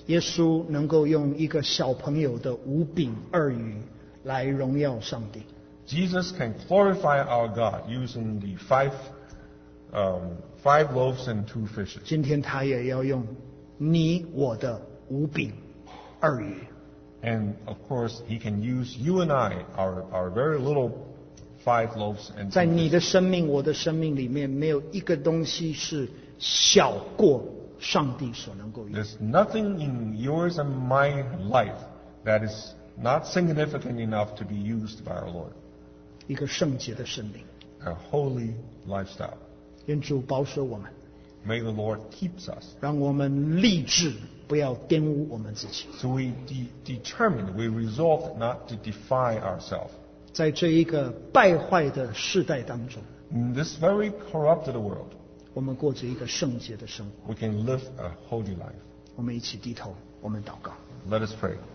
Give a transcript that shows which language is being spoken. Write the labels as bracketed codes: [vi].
[zh] 耶稣能够用一个小朋友的五饼二鱼来荣耀上帝。 [en] Jesus can glorify our God using the five loaves and two fishes. [zh] 今天他也要用你我的五饼二鱼。 [en] And of course, he can use you and I, our very little five loaves and two fishes. [zh] 在你的生命、我的生命里面，没有一个东西是小过上帝所能够用。 [en] There's nothing in yours and my life that is not significant enough to be used by our Lord. [zh] 一个圣洁的生命。 [en] A holy lifestyle. [zh] 愿主保守我们。 [en] May the Lord keep us. [zh] 让我们立志。不要玷污我们自己。 [en] So we determined, we resolved not to defy ourselves. [zh] 在这一个败坏的世代当中。 [en] In this very corrupted world. [zh] 我们过着一个圣洁的生活。 [en] We can live a holy life. [zh] 我们一起低头，我们祷告。 [en] Let us pray.